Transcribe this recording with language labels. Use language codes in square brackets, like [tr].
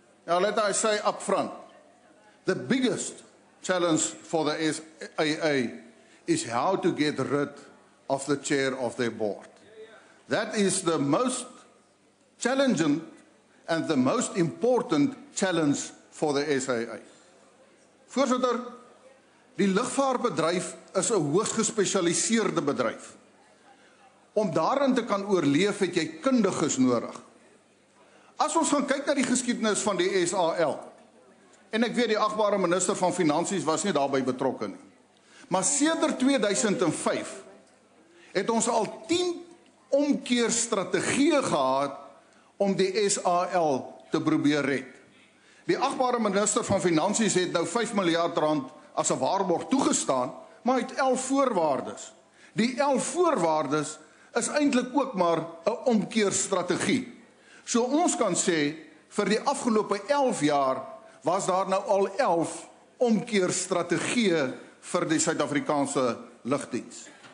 [en] Now let I say up front, the biggest challenge for the SAA is how to get rid of the chair of their board. That is the most challenging and the most important challenge for the SAA. [af] Voorzitter, die lugvaartbedryf is 'n hoogs gespesialiseerde bedryf. Om daarin te kan oorleef, het jy kundiges nodig. As ons gaan kyk na die geskiedenis van die SAL, en ek weet die agbare minister van Finansies was nie daarbij betrokke nie, maar sedert 2005 het ons al 10 omkeer strategieë gehad om die SAL te probeer red. Die agbare minister van Finansies het nou 5 miljard rand as 'n waarborg toegestaan, maar het 11 voorwaardes. Die 11 voorwaardes is eintlik ook maar 'n omkeer strategie. So ons kan sê, vir die afgelope 11 jaar was daar nou al 11 omkeer strategieë vir die Suid-Afrikaanse lugdiens.